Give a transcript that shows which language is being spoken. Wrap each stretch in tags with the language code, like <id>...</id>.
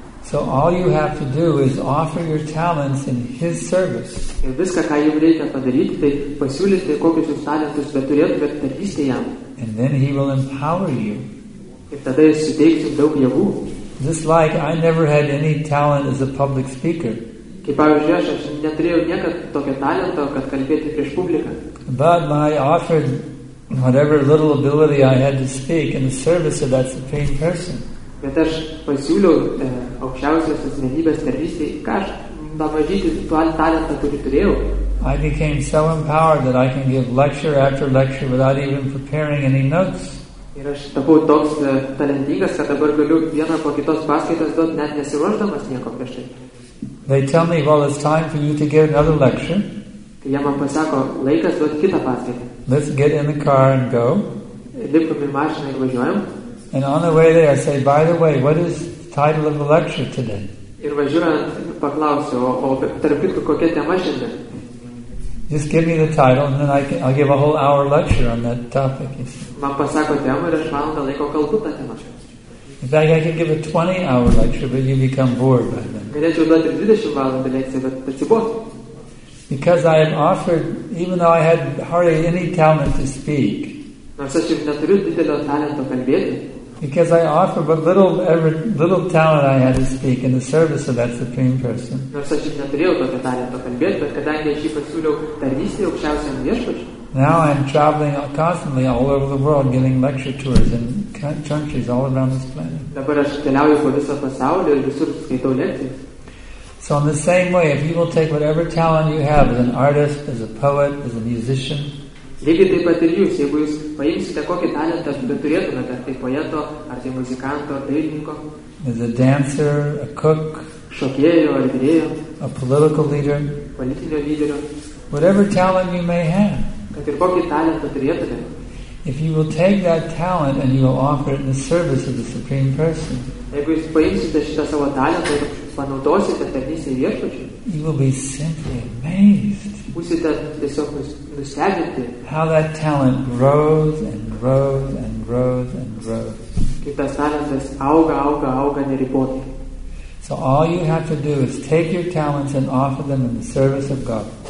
<en>So all you have to do is offer your talents in his service. And then he will empower you.</en> <lt>Ir tada jis suteiks jums daug jėgų.</lt> <en>Just like I never had any talent as a public speaker.</en> <lt>Kaip pavyzdžiui, aš neturėjau niekad tokio talento, kad kalbėti prieš publiką.</lt> <en>But I offered whatever little ability I had to speak in the service of that supreme person.</en> <lt>Bet aš pasiūliau aukščiausios asmenybės tarnystei, ką aš</lt> <en>I became so empowered that I can give lecture after lecture without even preparing any notes.</en> <lt>Ir aš tapau toks talentingas, kad dabar galiu vieną po kitos paskaitos duoti, net nesiruošdamas nieko prieš tai.</lt> <en>They tell me, well, it's time for you to give another lecture.</en> <lt>Kai jie man pasako, laikas duoti kitą paskaitą.</lt> <en>Let's get in the car and go.</en> <lt>Lipkam į mašiną ir važiuojam.</lt> <en>And on the way there, I say, by the way, what is the title of the lecture today?</en> <lt>Ir važiuojant, paklausiu, o tarp kitų, kokia tema šiandien?</lt> <en>Just give me the title and then I'll give a whole hour lecture on that topic.</en> <lt>Man pasako temą ir aš valandą laiko kalbu tą temą.</lt> <en>In fact, I can give a 20-hour lecture, but you become bored by then.</en> <lt>Galėčiau duoti 20 valandų lekciją, bet atsibos.</lt> <en>Because I am offered, even though I had hardly any talent to speak,</en> <lt>nors aš jau neturiu didelio talento kalbėti,</lt> <en>because I offer but little talent I had to speak in the service of that Supreme Person. Now I'm traveling constantly all over the world giving lecture tours in countries all around this planet. So in the same way, if you will take whatever talent you have as an artist, as a poet, as a musician,</en> <lt>lygiai taip pat ir jūs, jeigu jūs paimsite kokį talentą, bet turėtumėte, ar tai poeto, ar tai muzikanto, ar dailininko,</lt> <en>as a dancer, a cook,</en> <lt>šokėjo, ar virėjo,</lt> <en>a political leader,</en> <lt>politinio lyderio,</lt> <en>whatever talent you may have,</en> <lt>kad ir kokį talentą turėtumėte,</lt> <en>if you will take that talent and you will offer it in the service of the Supreme Person,</en> <lt>jeigu jūs paimsite šitą savo talentą ir panaudosite tarnystėje viešpačiui,</lt> <en>you will be simply amazed. How that talent grows and grows and grows and grows. So all you have to do is take your talents and offer them in the service of God.</en>